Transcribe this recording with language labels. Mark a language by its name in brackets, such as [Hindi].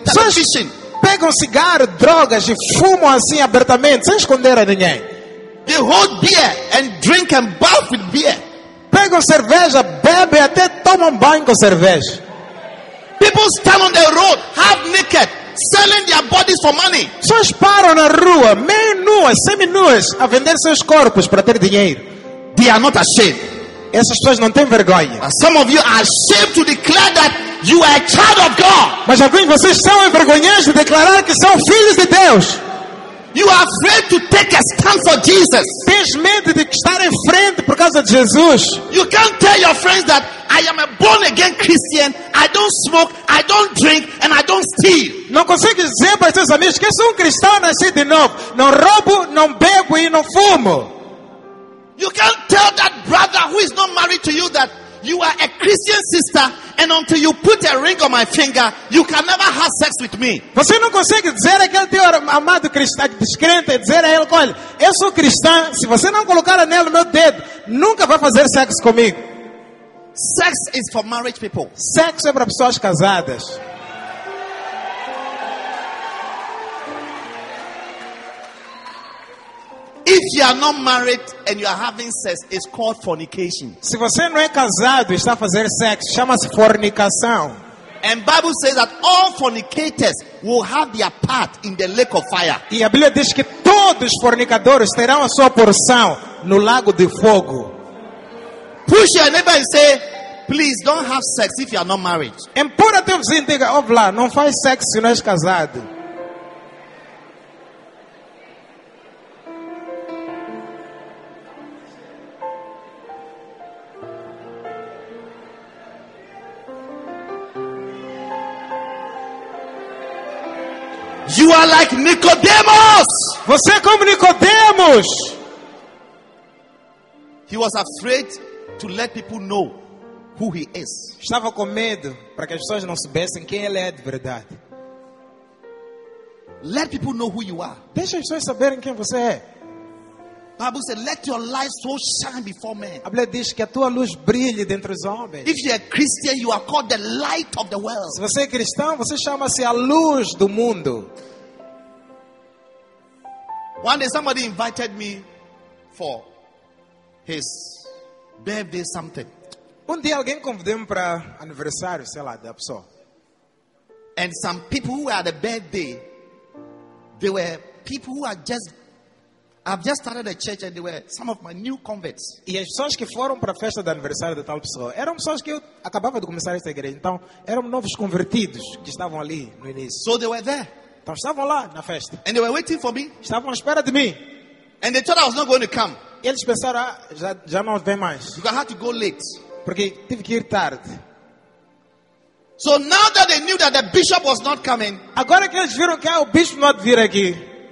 [Portuguese] Pessoas pegam cigarro, drogas e fumam assim abertamente, sem esconder a ninguém. [English] They hold beer and drink and bath with beer. [Portuguese] Pegam cerveja, bebem até tomam banho com cerveja. [English] People stand on the road half naked. Selling their bodies for money. [Portuguese] Pessoas param na rua, meio nuas, semi nuas, a vender seus corpos para ter dinheiro. [English] They are not ashamed. [Portuguese] Essas pessoas não têm vergonha. [English] But some of you are ashamed to declare that you are a child of God. [Portuguese] Mas alguns de vocês são envergonhados de declarar que são filhos de Deus. [English] You are afraid to take a stand for Jesus. [Portuguese] Tens medo de estar em frente por causa de Jesus. [English] You can't tell your friends that I am a born again Christian. I don't smoke, I don't drink, and I don't steal. [Portuguese] Não consegue dizer para seus amigos que sou cristão, nasci de novo. Não roubo, não bebo e não fumo. [English] You can't tell that brother who is not married to you that you are a Christian sister, and until you put a ring on my finger, you can never have sex with me. [Portuguese] Você não consegue dizer aquele teu amado cristão, descrente, dizer a ele, olha, eu sou cristão, se você não colocar anel no meu dedo, nunca vai fazer sexo comigo. [English] Sex is for married people. [Portuguese] Sexo é para pessoas casadas. [English] If you are not married and you are having sex, it's called fornication. [Portuguese] Se você não é casado e está fazendo sexo, chama-se fornicação. [English] And Bible says that all fornicators will have their part in the lake of fire. [Portuguese] E a Bíblia diz que todos fornicadores terão a sua porção no lago de fogo. [English] Push your neighbor and say, please don't have sex if you are not married. [Portuguese] Empurra teu vizinho e diga, ó lá, não faz sexo se não és casado. [English] You are like Nicodemus. [Portuguese] Você é como Nicodemus. [English] He was afraid to let people know who he is. [Portuguese] Estava com medo para que as pessoas não soubessem quem ele é de verdade. [English] Let people know who you are. [Portuguese] Deixa as pessoas saberem quem você é. [English] Bible says, "Let your light so shine before men." [Portuguese] A Bíblia diz que a tua luz brilhe dentro dos homens. [English] If you are Christian, you are called the light of the world. [Portuguese] Se você é cristão, você chama-se a luz do mundo. [English] One day, somebody invited me for his birthday something. [Portuguese] Um dia, alguém convidou-me para aniversário, sei lá, da pessoa. [English] And some people who were at the birthday, they were people who are just. I've just started a church and they were some of my new converts. [Portuguese] E as pessoas que foram para a festa de aniversário da tal pessoa eram pessoas que eu acabava de começar essa igreja. Então, eram novos convertidos que estavam ali no início. [English] So they were there. [Portuguese] Então, estavam lá na festa. [English] And they were waiting for me. [Portuguese] Estavam à espera de mim. [English] And they thought I was not going to come. [Portuguese] E eles pensaram, já não vem mais. [English] Because I had to go late. [Portuguese] Porque tive que ir tarde. [English] So now that they knew that the bishop was not coming. [Portuguese] Agora que eles viram que o bispo não vir aqui.